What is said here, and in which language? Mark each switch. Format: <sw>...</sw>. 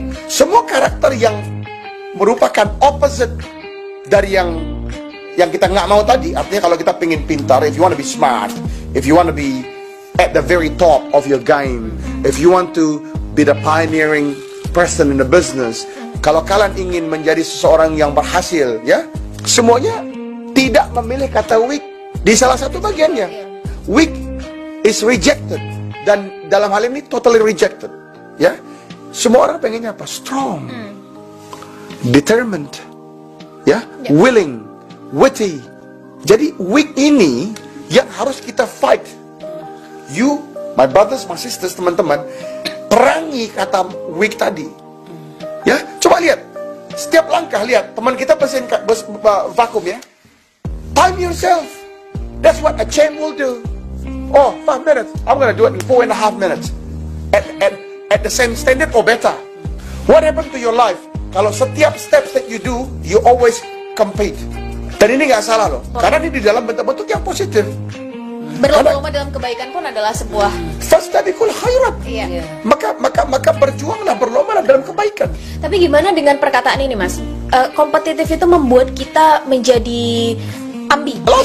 <id>Semua karakter yang merupakan opposite dari yang kita nggak mau tadi, artinya kalau kita pingin pintar,</id> <en>if you want to be smart, if you want to be at the very top of your game, if you want to be the pioneering person in the business,</en> <id>kalau kalian ingin menjadi seseorang yang berhasil, ya, semuanya tidak memilih kata weak di salah satu bagiannya.</id> <en>Weak is rejected,</en> <id>dan dalam hal ini</id> <en>totally rejected, ya.</en> <id>Semua orang pengennya apa?</id> <en>Strong, determined, ya, willing, witty.</en> <id>Jadi weak ini yang harus kita fight.</id> <en>You, my brothers, my sisters,</en> <id>teman-teman, perangi kata weak tadi. Ya, coba lihat. Setiap langkah lihat teman kita pesen vakum ya.</id> <en>Time yourself. That's what a chain will do. Oh, 5 minutes. I'm gonna do it in 4.5 minutes. At the same standard or better. What happened to your life?</en> <id>Kalau setiap</id> <en>steps that you do, you always compete.</en> <id>Dan ini gak salah loh, karena ini di dalam bentuk-bentuk yang positif. Berlomba-lomba dalam kebaikan pun adalah sebuah</id> <ar>fastabiqul khairat.</ar> <id>Iya. Maka berjuanglah, berlomba-lomba dalam kebaikan. Tapi gimana dengan perkataan ini, Mas? Kompetitif itu membuat kita menjadi ambi.</id>